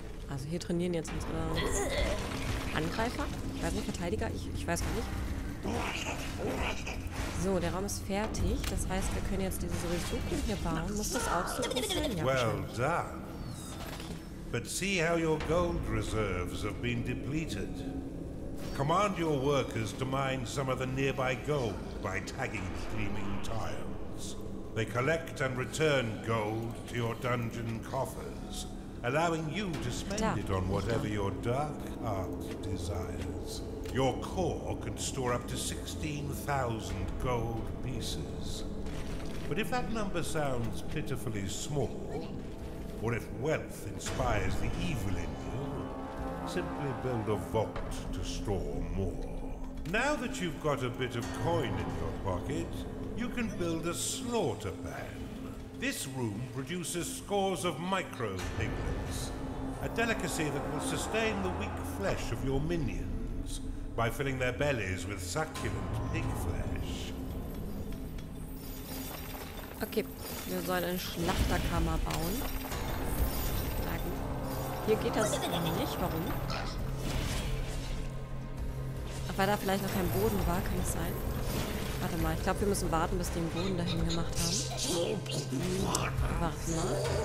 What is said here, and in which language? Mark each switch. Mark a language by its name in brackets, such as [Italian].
[German] Also hier trainieren jetzt unsere Angreifer. Ich weiß nicht, Verteidiger. Ich weiß gar nicht. So, der Raum ist fertig. Das heißt, wir können jetzt diese Resuchen hier bauen. Muss das auch so gut sein? Ja, [English] well done. But see how your gold reserves have been depleted. Command your workers to mine some of the nearby gold by tagging gleaming tiles. They collect and return gold to your dungeon coffers, allowing you to spend it on whatever your dark heart desires. Your core can store up to 16,000 gold pieces. But if that number sounds pitifully small, or if wealth inspires the evil in you, simply build a vault to store more. Now that you've got a bit of coin in your pocket, you can build a slaughter pen. This room produces scores of micro piglets, a delicacy that will sustain the weak flesh of your minions by filling their bellies with succulent pig flesh. [German] Okay, wir sollen eine Schlachterkammer bauen. Hier geht das nicht. Warum? Weil da vielleicht noch kein Boden war, kann es sein. Warte mal, ich glaube, wir müssen warten, bis die den Boden dahin gemacht haben. Warte mal.